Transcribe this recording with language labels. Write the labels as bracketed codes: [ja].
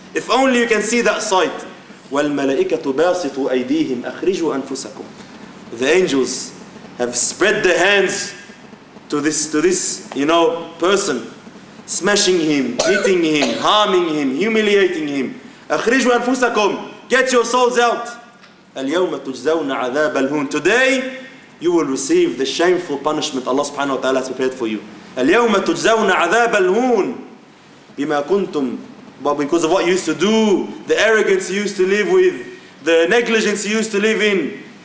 [en] If only you can see that sight. [ar] وَالْمَلَائِكَةُ بَاسِطُوا أَيْدِيهِمْ أَخْرِجُوا أَنفُسَكُمْ. [en] The angels have spread their hands to this, you know, person, smashing him, hitting him, harming him, humiliating him. [ar] أخرجوا أنفسكم, [en] get your souls out. [ar] اليوم تجزون عذاب الهون. [en] Today, you will receive the shameful punishment Allah subhanahu wa ta'ala has prepared for you. [ar] اليوم تجزون عذاب الهون بما كنتم, [en] but because of what you used to do, the arrogance you used to live with, the negligence you used to live in.